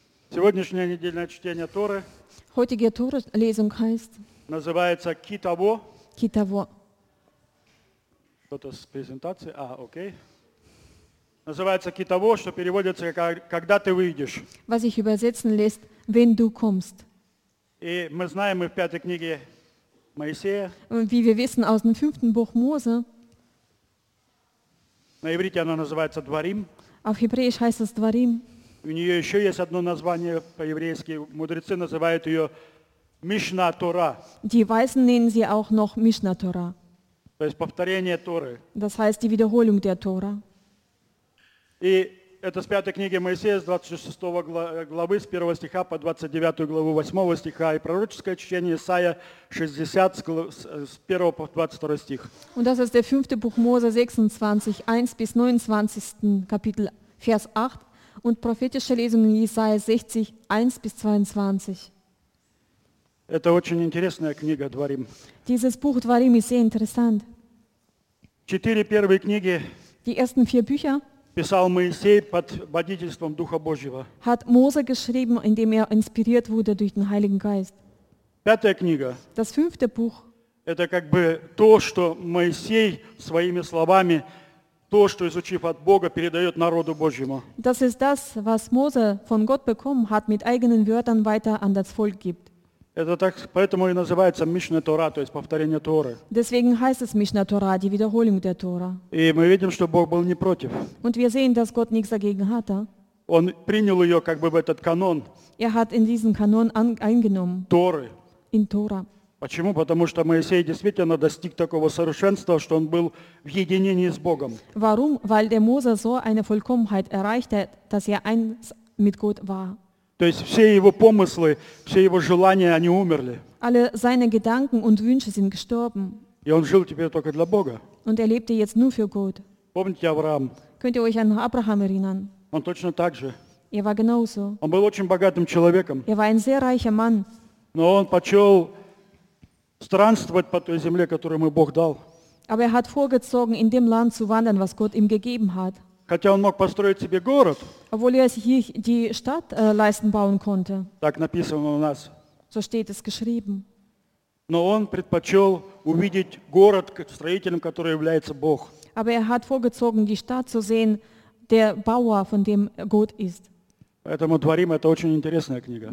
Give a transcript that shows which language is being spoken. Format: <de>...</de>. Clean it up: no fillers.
<ru>Сегодняшнее недельное чтение Торы.</ru> <de>Heutige Tora-Lesung heißt.</de> <ru>Называется Китаво. Китаво. Кто-то с презентации? А, окей. Называется Китаво, что переводится как «Когда ты выйдешь».</ru> <de>Was ich übersetzen lässt, wenn du kommst.</de> <ru>И мы знаем, мы в пятой книге Моисея.</ru> <de>Wie wir wissen aus dem fünften Buch Mose.</de> <ru>На иврите оно называется Дворим.</ru> <de>Auf Hebräisch heißt es Dvarim.</de> <ru>У нее еще есть одно название по-еврейски. Мудрецы называют ее Мишна Тора.</ru> <de>Die Weisen nennen sie auch noch Мишна Тора.</de> <ru>То есть повторение Торы.</ru> <de>Das heißt die Wiederholung der Tora.</de> <ru>И это с пятой книги Моисея, с 26 главы, с 1 стиха по 29 главу 8 стиха. И пророческое чтение Исаия 60, с 1 по 22 стих.</ru> <de>Und das ist der fünfte Buch Mose 26, 1 bis 29, Kapitel, Vers 8. Und prophetische Lesung in Jesaja 60, 1 bis 22.</de> <ru>Это очень интересная книга Дворим.</ru> <de>Dieses Buch Dvarim ist sehr interessant.</de> <ru>Четыре первые книги.</ru> <de>Die ersten vier Bücher.</de> <ru>Писал Моисей под водительством Духа Божьего.</ru> <de>Hat Mose geschrieben, indem er inspiriert wurde durch den Heiligen Geist.</de> <ru>Пятая книга.</ru> <de>Das fünfte Buch.</de> <ru>Это как бы то, что Моисей своими словами то, что изучив от Бога, передает народу Божьему.</ru> <de>Das ist das, was Mose von Gott bekommen hat, mit eigenen Wörtern weiter an das Volk gibt.</de> <ru>Это так, поэтому и называется Мишна Тора, то есть повторение Торы.</ru> <de>Deswegen heißt es Мишна Тора, die Wiederholung der Tora.</de> <ru>И мы видим, что Бог был не против.</ru> <de>Und wir sehen, dass Gott nichts dagegen hatte.</de> <ru>Он принял ее как бы в этот канон.</ru> <de>Er hat in diesen Kanon eingenommen.</de> <ru>Торы.</ru> <de>In Tora.</de> <ru>Почему? Потому что Моисей действительно достиг такого совершенства, что он был в единении с Богом.</ru> <de>Warum? Weil der Mose so eine Vollkommenheit erreicht hat, dass er eins mit Gott war.</de> <ru>То есть все его помыслы, все его желания, они умерли.</ru> <de>Alle seine Gedanken und Wünsche sind gestorben.</de> <ru>И он жил теперь только для Бога.</ru> <de>Und er lebte jetzt nur für Gott.</de> <ru>Помните Авраам?</ru> <de>Könnt ihr euch an Abraham erinnern?</de> <ru>Он точно так же.</ru> <de>Er war genauso.</de> <ru>Он был очень богатым человеком.</ru> <de>Er war ein sehr reicher Mann.</de> <ru>Но он почел странствовать по той земле, которую ему Бог дал.</ru> <de>Aber er hat vorgezogen, in dem Land zu wandern, was Gott ihm gegeben hat.</de> <ru>Хотя он мог построить себе город.</ru> <de>Obwohl er sich die Stadt leisten bauen konnte.</de> <ru>Так написано у нас.</ru> <de>So steht es geschrieben.</de> <ru>Но он предпочел увидеть город строителем, который является Бог.</ru> <de>Aber er hat vorgezogen, die Stadt zu sehen, der Bauer, von dem Gott ist.</de> <ru>Поэтому Дворим – это очень интересная книга.</ru>